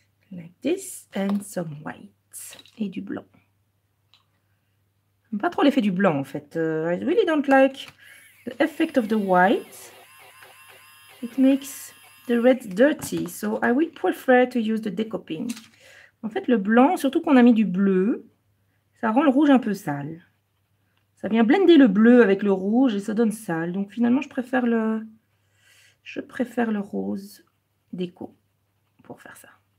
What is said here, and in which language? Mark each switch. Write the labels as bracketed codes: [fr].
[en] Like this. And some white. [fr] Et du blanc. J'aime pas trop l'effet du blanc en fait. [en] I really don't like the effect of the white. It makes the red dirty, so I will prefer to use the decoping. [fr] En fait, le blanc, surtout qu'on a mis du bleu, ça rend le rouge un peu sale. Ça vient blender le bleu avec le rouge et ça donne sale. Donc finalement, je préfère le rose déco pour faire ça.